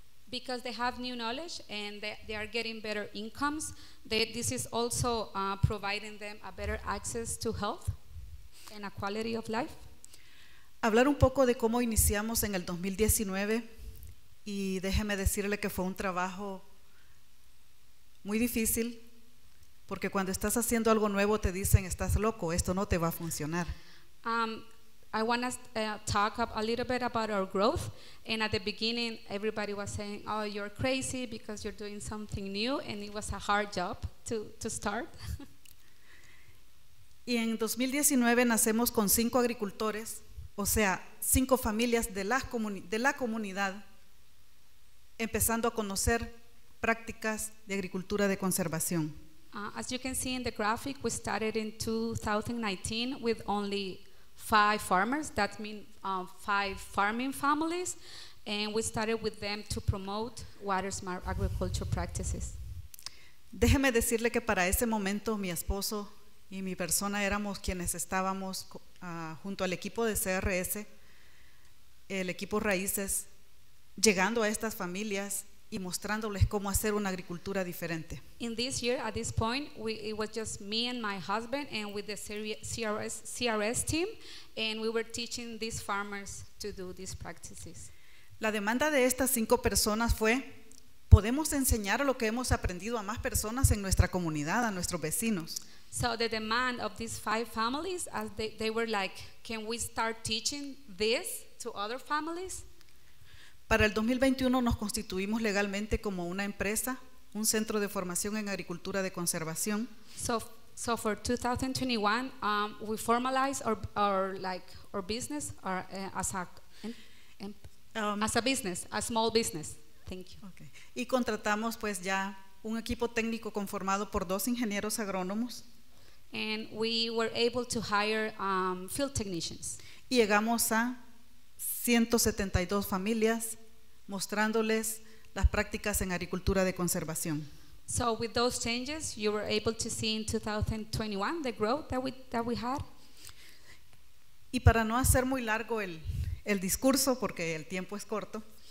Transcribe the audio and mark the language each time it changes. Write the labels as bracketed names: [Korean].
[English] Because they have new knowledge and they are getting better incomes, this is also providing them a better access to health and a quality of life. [Spanish] Hablar un poco de cómo iniciamos en el 2019, y déjeme decirle que fue un trabajo muy difícil, porque cuando estás haciendo algo nuevo te dicen, estás loco, esto no te va a funcionar. [English] I want to talk up a little bit about our growth, and at the beginning everybody was saying, oh, you're crazy because you're doing something new, and it was a hard job to start. [Spanish] Y en 2019 nacemos con 5 agricultores, o sea, 5 familias de la comunidad, empezando a conocer prácticas de agricultura de conservación. [English] As you can see in the graphic, we started in 2019 with only 5 farmers, that means 5 farming families, and we started with them to promote water smart agriculture practices. [Spanish] Déjeme decirle que para ese momento mi esposo y mi persona éramos quienes estábamos junto al equipo de CRS, el equipo Raíces, llegando a estas familias y mostrándoles cómo hacer una agricultura diferente. [English] In this year, at this point, it was just me and my husband and with the CRS team, and we were teaching these farmers to do these practices. [Spanish] La demanda de estas 5 personas fue, ¿podemos enseñar lo que hemos aprendido a más personas en nuestra comunidad, a nuestros vecinos? [English] So the demand of these 5 families, as they were like, can we start teaching this to other families? [Spanish] Para el 2021 nos constituimos legalmente como una empresa, un centro de formación en agricultura de conservación. [English] So So for 2021, we formalized our business or as a business, a small business. Thank you. Okay. [Spanish] Y contratamos pues ya un equipo técnico conformado por dos ingenieros agrónomos. [English] And we were able to hire field technicians. [Spanish] Y llegamos a 172 familias mostrándoles las prácticas en agricultura de conservación. [English] So with those changes, you were able to see in 2021 the growth that we had. [Spanish] Y para no hacer muy largo el discurso, porque el tiempo es corto.